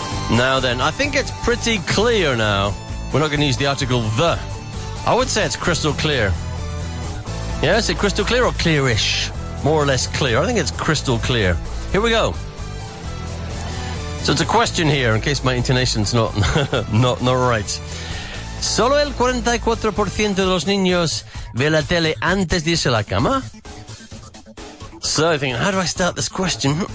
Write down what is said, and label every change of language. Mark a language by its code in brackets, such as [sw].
[en] Now then, I think it's pretty clear now. We're not going to use the article the. I would say it's crystal clear. Yeah, is it crystal clear or clearish? More or less clear. I think it's crystal clear. Here we go. So it's a question here, in case my intonation's not right. [es] ¿Solo el 44% de los niños ve la tele antes de irse a la cama? [en] So, thinking, how do I start this question?